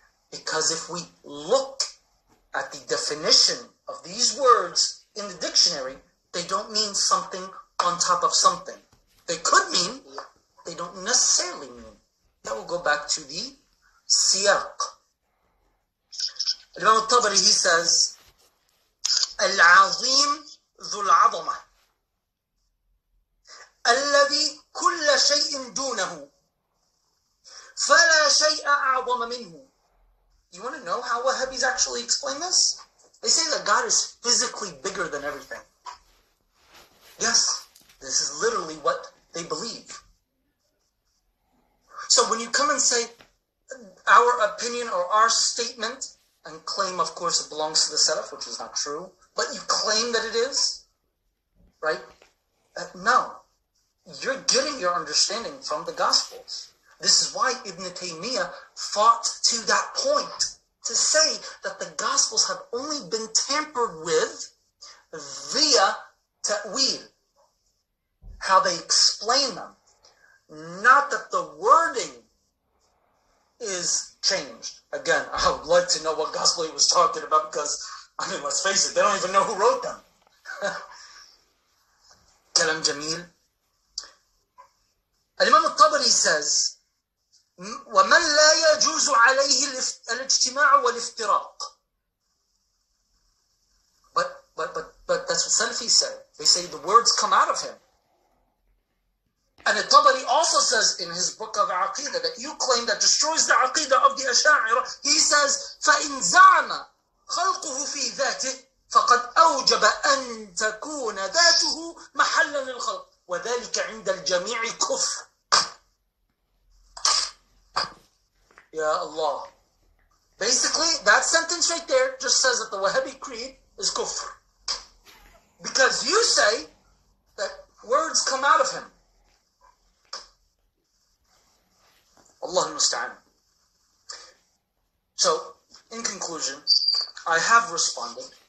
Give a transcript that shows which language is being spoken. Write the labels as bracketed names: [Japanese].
[English] Because if we look at the definition of these words in the dictionary, they don't mean something on top of something. They could mean, they don't necessarily mean. That will go back to the siyaq. Imam al-Tabari, he says, [Arabic] Al-Azim ذو العظمة الذي كل شيء دونه فلا شيء أعظم منه. [English] You want to know how Wahhabis actually explain this? They say that God is physically bigger than everything. Yes, this is literally what they believe. So when you come and say our opinion or our statement, and claim, of course, it belongs to the Salaf, which is not true, but you claim that it is, right? No, you're getting your understanding from the Gospels. This is why Ibn Taymiyyah fought to that point, to say that the Gospels have only been tampered with via ta'wil. How they explain them. that the wording is changed. Again, I would like to know what gospel he was talking about, because, I mean, let's face it, they don't even know who wrote them. [Arabic] Kalam Jamil. [English] Al-Imam al-Tabari says, [Arabic] وَمَنْ لَا يَجُوزُ عَلَيْهِ الْاجْتِمَاعُ وَالْإِفْتِرَاقُ. [English] But that's what Salafis say. They say the words come out of him. And al-Tabari also says in his book of Aqeeda that you claim that destroys the Aqeeda of the Ashari. He says, [Arabic] فَإِنْ زَعْمَ خَلْقُهُ فِي ذَاتِهِ فَقَدْ أَوْجَبَ أَنْ تَكُونَ ذَاتُهُ مَحَلًا لِلْخَلْقِ وَذَلِكَ عِنْدَ الْجَمِيعِ كُفْرٌ. Ya Allah. [English] Basically, that sentence right there just says that the Wahhabi creed is kufr. Because you say that words come out of him. [Arabic] Allahu musta'an. [English] So, in conclusion, I have responded.